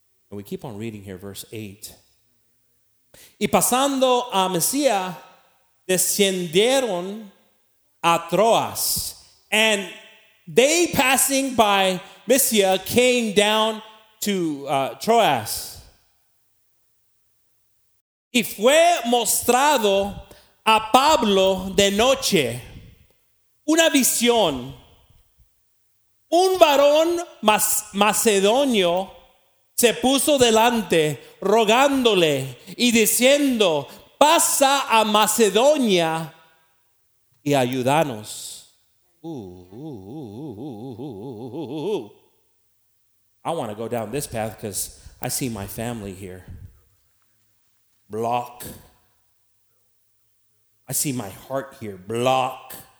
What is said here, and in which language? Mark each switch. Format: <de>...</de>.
<en>And we keep on reading here, verse 8.</en> <es>Y pasando a Mesía, descendieron a Troas.</es> <en>And they passing by Mesía came down to Troas.</en> <es>Y fue mostrado a Pablo de noche una visión. Un varón macedonio se puso delante, rogándole y diciendo, pasa a Macedonia y ayúdanos.</es> <en>I want to go down this path because I see my family here. Block. I see my heart here. Block.</en>